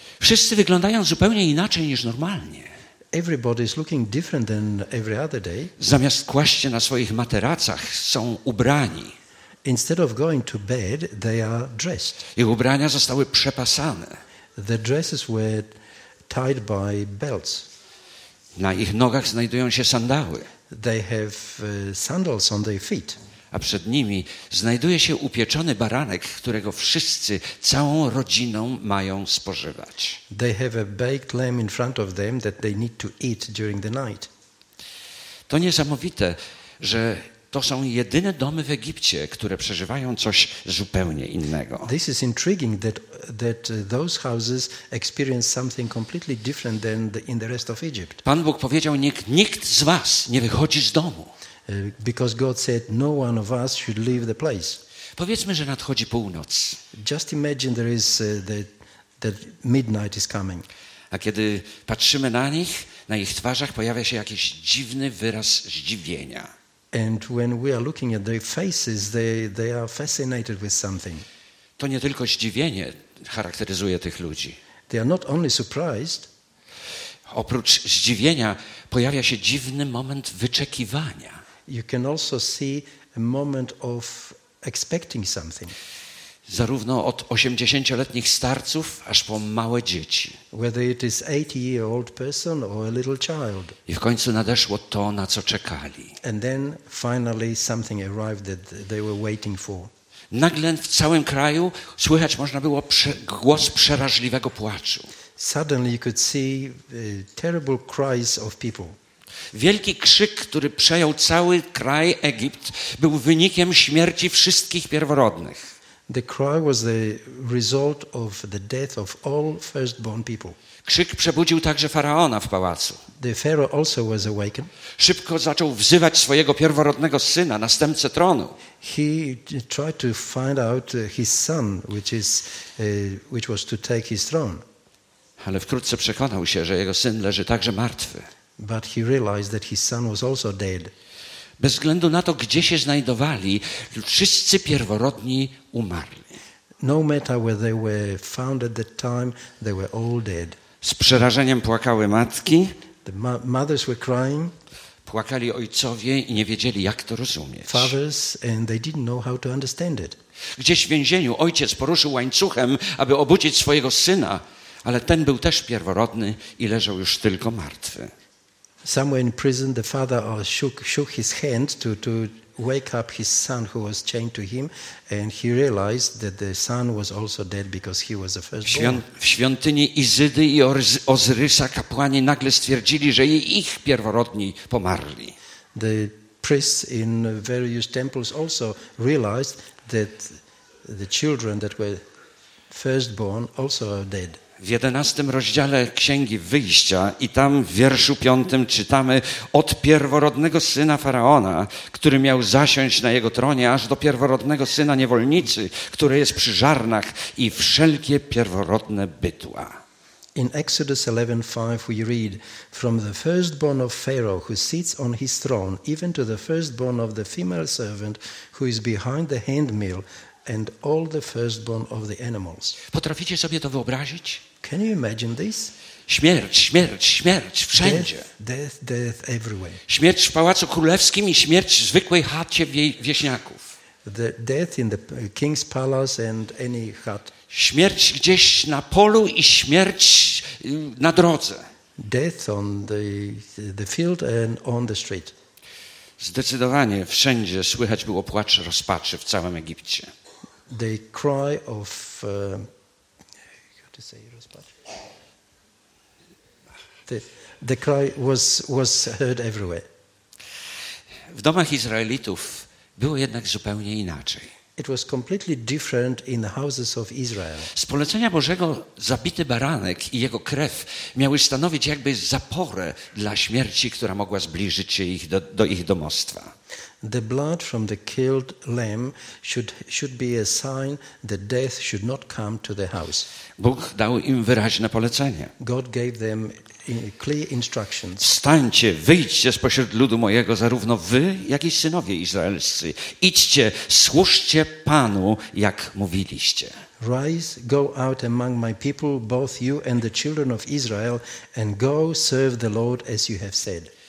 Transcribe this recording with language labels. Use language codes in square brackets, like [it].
[pl] Wszyscy wyglądają zupełnie inaczej niż normalnie. [en] Everybody is looking different than every other day. [pl] Zamiast kłaść się na swoich materacach, są ubrani. [en] Instead of going to bed, they are dressed. [pl] Ich ubrania zostały przepasane. [en] The dresses were tied by belts. [pl] Na ich nogach znajdują się sandały. [en] They have sandals on their feet. [pl] A przed nimi znajduje się upieczony baranek, którego wszyscy całą rodziną mają spożywać. [en] They have a baked lamb in front of them that they need to eat during the night. [pl] To niesamowite, że to są jedyne domy w Egipcie, które przeżywają coś zupełnie innego. [en] This is intriguing that those houses experience something completely different than in the rest of Egypt. [pl] Pan Bóg powiedział, niech nikt z was nie wychodzi z domu. [en] Because God said no one of us should leave the place. [pl] Powiedzmy, że nadchodzi północ. [en] Just imagine there is that midnight is coming. [pl] A kiedy patrzymy na nich, na ich twarzach pojawia się jakiś dziwny wyraz zdziwienia. [en] And when we are looking at their faces, they are fascinated with something. [pl] To nie tylko zdziwienie charakteryzuje tych ludzi. [en] They are not only surprised. [pl] Oprócz zdziwienia pojawia się dziwny moment wyczekiwania. [en] You can also see a moment of expecting something. [pl] Zarówno od 80-letnich starców, aż po małe dzieci. [en] Whether it is 80-year-old person or a little child. [pl] I w końcu nadeszło to, na co czekali. [en] And then finally something arrived that they were waiting for. [pl] Nagle w całym kraju słychać można było głos przerażliwego płaczu. [en] Suddenly you could see terrible cries of people. [pl] Wielki krzyk, który przejął cały kraj Egipt, był wynikiem śmierci wszystkich pierworodnych. [en] The cry was the result of the death of all firstborn people. [pl] Krzyk przebudził także faraona w pałacu. [en] The pharaoh also was awakened. [pl] Szybko zaczął wzywać swojego pierworodnego syna, następcę tronu. [en] He tried to find out his son, which was to take his throne. [pl] Ale wkrótce przekonał się, że jego syn leży także martwy. [en] But he realized that his son was also dead. [pl] Bez względu na to, gdzie się znajdowali, wszyscy pierworodni umarli. [en] No matter where they were found at that time, they were all dead. [pl] Z przerażeniem płakały matki. [en] The mothers were crying. [pl] Płakali ojcowie i nie wiedzieli, jak to rozumieć. [en] Fathers, and they didn't know how to understand it. [pl] Gdzieś w więzieniu ojciec poruszył łańcuchem, aby obudzić swojego syna, ale ten był też pierworodny i leżał już tylko martwy. [en] Somewhere in prison the father shook his hand to wake up his son who was chained to him and he realized that the son was also dead because he was the firstborn. [pl] W świątyni Izydy i Ozyrysa kapłani nagle stwierdzili, że ich pierworodni pomarli. [en] The priests in various temples also realized that the children that were firstborn also are dead. [pl] W 11 rozdziale Księgi Wyjścia i tam w wierszu 5 czytamy od pierworodnego syna Faraona, który miał zasiąść na jego tronie, aż do pierworodnego syna niewolnicy, który jest przy żarnach i wszelkie pierworodne bytła. [en] In Exodus 11:5 we read, from the firstborn of Pharaoh who sits on his throne, even to the firstborn of the female servant who is behind the handmill, and all the firstborn of the animals. [pl] Potraficie sobie to wyobrazić? [en] Can you imagine this? [pl] Śmierć, śmierć, śmierć wszędzie. [en] Death, death everywhere. [pl] Śmierć w pałacu królewskim i śmierć w zwykłej chacie wieśniaków. [en] The death in the king's palace and any hut. [pl] Śmierć gdzieś na polu i śmierć na drodze. [en] Death on the field and on the street. [pl] Zdecydowanie wszędzie słychać było płacz rozpaczy w całym Egipcie. [en] The cry of [pl] rozpaczy. [en] The cry was heard everywhere. [pl] W domach Izraelitów było jednak zupełnie inaczej. [en] It was completely different in the houses of Israel. [pl] Z polecenia Bożego zabity baranek i jego krew miały stanowić jakby zaporę dla śmierci, która mogła zbliżyć się ich do ich domostwa. [en] The blood from the killed lamb should be a sign that death should not come to the house. [pl] Bóg dał im wyraźne polecenie. [en] God gave them clear instructions. [pl] Wstańcie, wyjdźcie spośród ludu mojego, zarówno wy, jak i synowie izraelscy. Idźcie, służcie Panu, jak mówiliście. [en] Rise, go out among my people, both you and the children of Israel, and go serve the Lord as you have said.